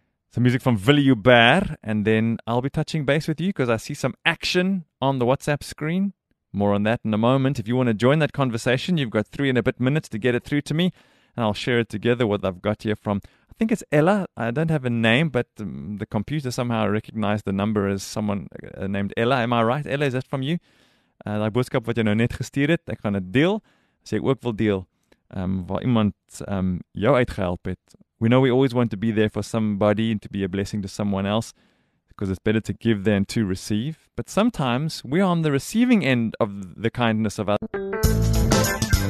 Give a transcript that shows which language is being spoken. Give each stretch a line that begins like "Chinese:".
English: Some music from Willie Hubert, and then I'll be touching base with you because I see some action on the WhatsApp screen. More on that in a moment. If you want to join that conversation, you've got 3 and a bit minutes to get it through to me, and I'll share it together what I've got here from, I think it's Ella. I don't have a name, but the computer somehow recognized the number as someone named Ella. Am I right? Ella, is that from you?
Afrikaans: Daai boodskap wat jy nou net gestuur het, ek gaan dit deel. Sê ook wil deel waar iemand jou uitgehelp het.
English: We know we always want to be there for somebody and to be a blessing to someone else, because it's better to give than to receive. But sometimes we are on the receiving end of the kindness of others.